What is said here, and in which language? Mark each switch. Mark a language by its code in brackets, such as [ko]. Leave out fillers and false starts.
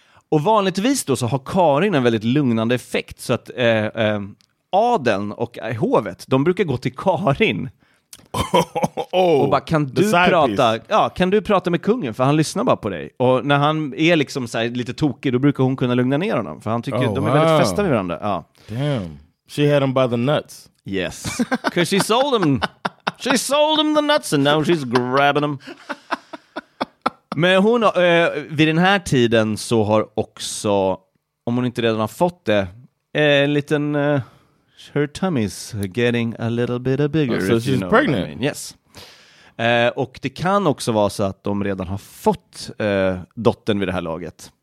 [sv] Och vanligtvis då så har Karin en väldigt lugnande effekt. Så att adeln och hovet, de brukar gå till Karin. Oh, och bara, kan du prata? Ja, kan du prata med kungen? För han lyssnar bara på dig. Och när han är liksom så här lite tokig, då brukar hon kunna lugna ner honom. För han tycker de är väldigt fästa med varandra. Ja. [en] Damn. She had him by the nuts. Yes. Because she sold him. She sold him the nuts and now she's grabbing him. [sv] Men hon har, vid den här tiden så har också, om hon inte redan har fått det, en liten, [en] her tummy's getting a little bit bigger. Oh, so she's pregnant. I mean. Yes. [sv] Och det kan också vara så att de redan har fått dottern vid det här laget.